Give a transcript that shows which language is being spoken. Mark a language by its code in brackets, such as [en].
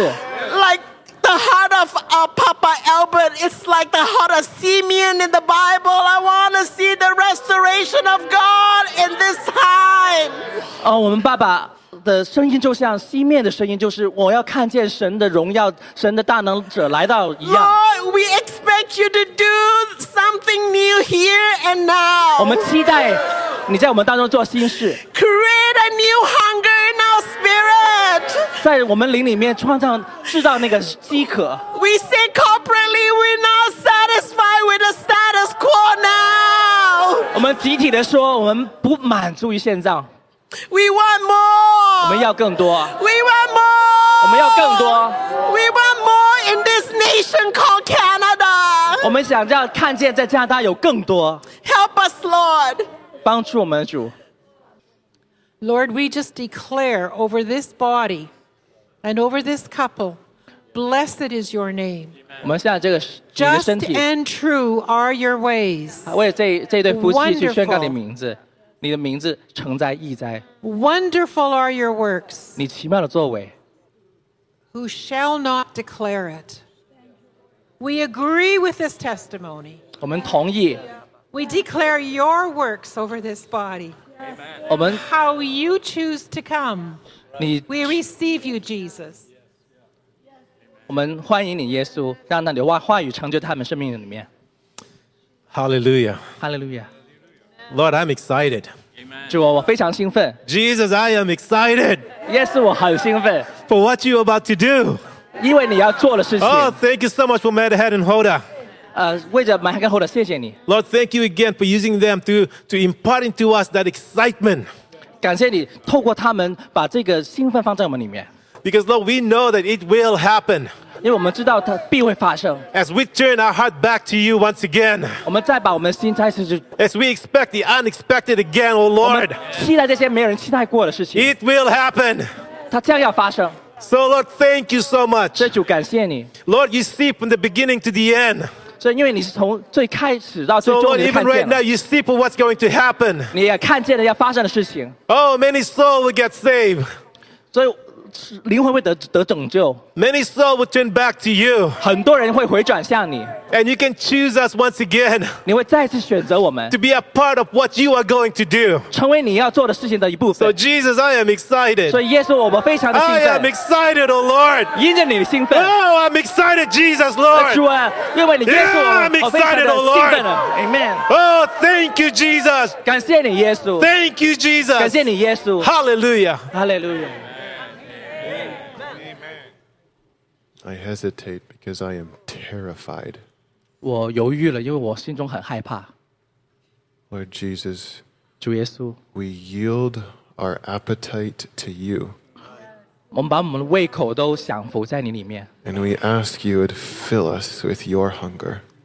[en] Like the heart of Papa Albert, it's like the heart of Simeon in the Bible. I want to see the restoration of God in this time. [zh] Oh, 我们爸爸的声音就像西面的声音，就是我要看见神的荣耀，神的大能者来到一样。 [en] Lord, we expect you to do something new here and now. [zh] 我们期待你在我们当中做新事。 [en] Create a new hunger in our spirit. [zh] 在我们灵里面创造制造那个饥渴。 [en] We say corporately, we're not satisfied with the status quo now. [zh] 我们集体的说，我们不满足于现状。 [en] We want more. [zh] 我们要更多。 [en] We want more. [zh] 我们要更多。 [en] We want more in this nation called Canada. [zh] 我们想要看见在加拿大有更多。 [en] Help us, Lord. [zh] 帮助我们的主。 [en] Lord, we just declare over this body and over this couple, blessed is your name. [zh] 我们现在这个 [en] Just and true are your ways. [zh] 为这对夫妻去宣告你的名字，你的名字成灾异灾。 [en] Wonderful are your works. [zh] 你奇妙的作为。 [en] Who shall not declare it? We agree with this testimony. [zh] 我们同意。 [en] We declare your works over this body. Amen. How you choose to come. Right. We receive you, Jesus. Yes. Yes. Hallelujah. Hallelujah. Lord, I'm excited. Amen. Jesus, I am excited. Yes, I'm excited. For what you're about to do. Oh, thank you so much for Madhead and Hoda. Lord, thank you again for using them to impart into us that excitement. [zh] 感谢你透过他们把这个兴奋放在我们里面。 [en] Because Lord, we know that it will happen. [zh] 因为我们知道它必会发生。 [en] As we turn our heart back to you once again. [zh] 我们再把我们心再次。 [en] As we expect the unexpected again, oh Lord. [zh] 我们期待这些没人期待过的事情。 [en] It will happen. [zh] 它将要发生。 [en] So Lord, thank you so much. [zh] 这主感谢你。 [en] Lord, you see from the beginning to the end. [zh] 所以因为你是从最开始到最终你看见了。 [en] So Lord, even right now, you see for what's going to happen. [zh] 你也看见了要发生的事情。 [en] Oh, many souls will get saved. [zh] 所以灵魂会得拯救。 [en] Many souls will turn back to you. [zh] 很多人会回转向你。 [en] And you can choose us once again. [zh] 你会再次选择我们。 [en] To be a part of what you are going to do. [zh] 成为你要做的事情的一部分。 [en] So Jesus, I am excited. [zh] 所以耶稣，我们非常的兴奋。 [en] I am excited, O Lord. [zh] 因着你的兴奋。 [en] Oh, I'm excited, Jesus, Lord. [zh] 主啊，因为你耶稣，我非常的兴奋。 [en] Amen. Oh, thank you, Jesus. [zh] 感谢你耶稣。 [en] Thank you, Jesus. [zh] 感谢你耶稣。 [en] Hallelujah. Hallelujah. I hesitate because I am terrified. [zh] 我犹豫了，因为我心中很害怕。 [en] Lord Jesus, [zh] 主耶稣 [en] we yield our appetite to you. [zh] 我们把我们的胃口都降服在你里面。 [en] And we ask you to fill us with your hunger.